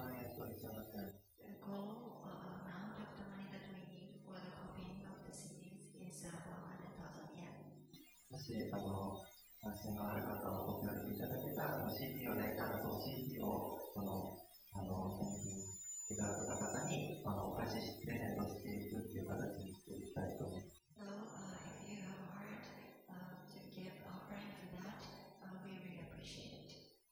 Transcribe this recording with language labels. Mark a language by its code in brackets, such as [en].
[en] The goal of amount of the money that we need for the copying of the CDs is 100,000 yen. [ja] もし関心がある方はお手軽にいただけたら、CD をね、その CD を、いただけた方に、お返しして、プレゼントしていくっていう形にしていきたいと思います。 [en] So, if you have heart, to give offering to that, we really appreciate it.